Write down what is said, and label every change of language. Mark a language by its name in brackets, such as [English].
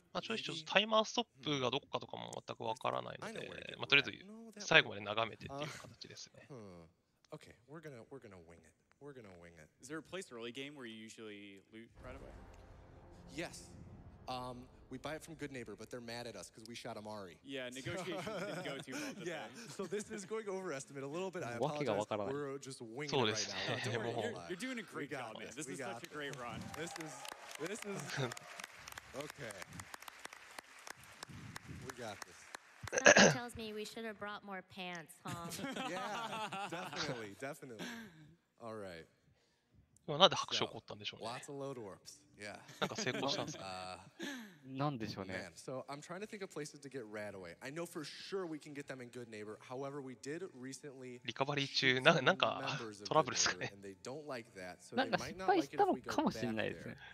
[Japanese] まあ、ちょいちょいタイマーストップがどこかとかも全くわからないので、まあ、とりあえず最後まで眺めてっていう形ですね。 [English] Okay, we're gonna wing it. We're gonna wing it. Is there a place early game where you usually loot right away? Yes. We buy it from Good Neighbor, but they're mad at us because we shot Amari. Yeah, negotiations didn't go too well. Yeah, so this is going overestimate a little bit. I apologize. We're just winging it right now. Don't worry, you're doing a great job, man. This is such a great run. This is. Okay. We got this. That tells me we should have brought more pants, huh? Yeah, definitely, definitely. All right. [Japanese] なんで拍手起こったんでしょうね。 [English] So, [Japanese] なんか成功したんですか。なんでしょうね。 [English] So, I'm trying to think of places to get rad away. I know for sure we can get them in Good Neighbor. However, we did recently. [Japanese] リカバリー中、なんかトラブルですかね。なんか失敗したのかもしれないですね。